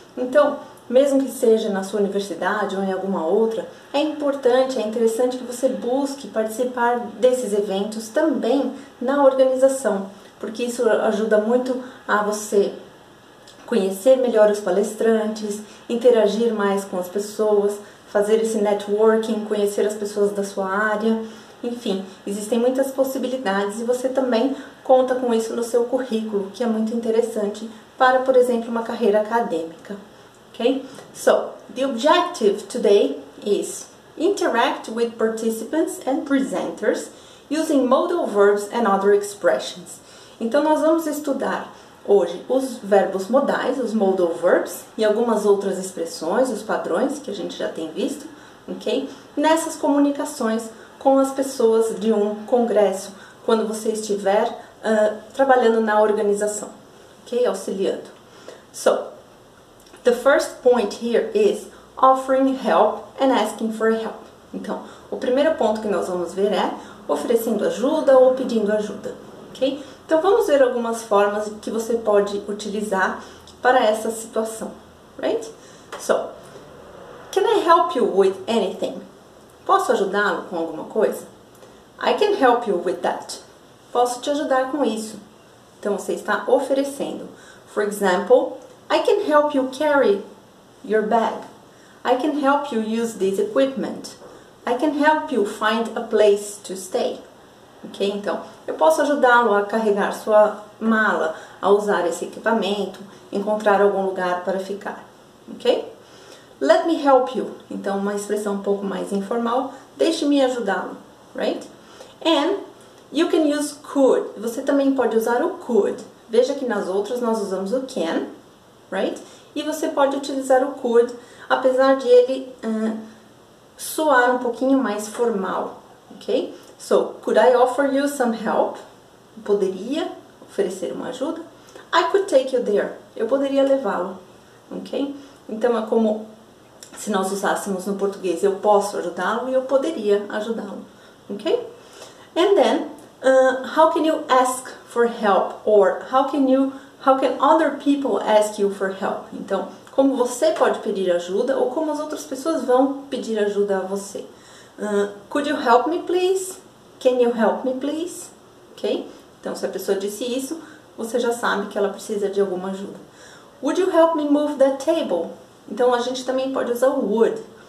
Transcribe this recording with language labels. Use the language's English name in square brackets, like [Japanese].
[Portuguese] Então, mesmo que seja na sua universidade ou em alguma outra, é importante, é interessante que você busque participar desses eventos também na organização, porque isso ajuda muito a você conhecer melhor os palestrantes, interagir mais com as pessoas, fazer esse networking, conhecer as pessoas da sua área. Enfim, existem muitas possibilidades e você também conta com isso no seu currículo, que é muito interessante para, por exemplo, uma carreira acadêmica. [English] Okay? So, the objective today is interact with participants and presenters using modal verbs and other expressions. [Portuguese] Então, nós vamos estudar hoje os verbos modais, os modal verbs, e algumas outras expressões, os padrões que a gente já tem visto, ok? Nessas comunicações com as pessoas de um congresso, quando você estiver trabalhando na organização, ok? Auxiliando. [English] So, the first point here is offering help and asking for help. [Portuguese] Então, o primeiro ponto que nós vamos ver é oferecendo ajuda ou pedindo ajuda, ok? Então, vamos ver algumas formas que você pode utilizar para essa situação, right? [English] So, can I help you with anything? [Portuguese] Posso ajudá-lo com alguma coisa? [English] I can help you with that. [Portuguese] Posso te ajudar com isso. Então, você está oferecendo. [English] For example, I can help you carry your bag. I can help you use this equipment. I can help you find a place to stay. Ok? [Portuguese] Então, eu posso ajudá-lo a carregar sua mala, a usar esse equipamento, encontrar algum lugar para ficar. Ok? [English] Let me help you. [Portuguese] Então, uma expressão um pouco mais informal. Deixe-me ajudá-lo. [English] Right? And you can use could. [Portuguese] Você também pode usar o could. Veja que nas outras nós usamos o can. Right? E você pode utilizar o could, apesar de ele soar um pouquinho mais formal. Ok? [English] So, could I offer you some help? [Portuguese] Poderia oferecer uma ajuda? [English] I could take you there. [Portuguese] Eu poderia levá-lo. [English] Ok? [Portuguese] Então, é como se nós usássemos no português, eu posso ajudá-lo e eu poderia ajudá-lo. [English] Ok? And then, how can you ask for help? Or how can other people ask you for help? [Portuguese] Então, como você pode pedir ajuda ou como as outras pessoas vão pedir ajuda a você? [English] Could you help me, please? Can you help me, please? Ok? [Portuguese] Então, se a pessoa disse isso, você já sabe que ela precisa de alguma ajuda. [English] Would you help me move that table? [Portuguese] Então, a gente também pode usar o would.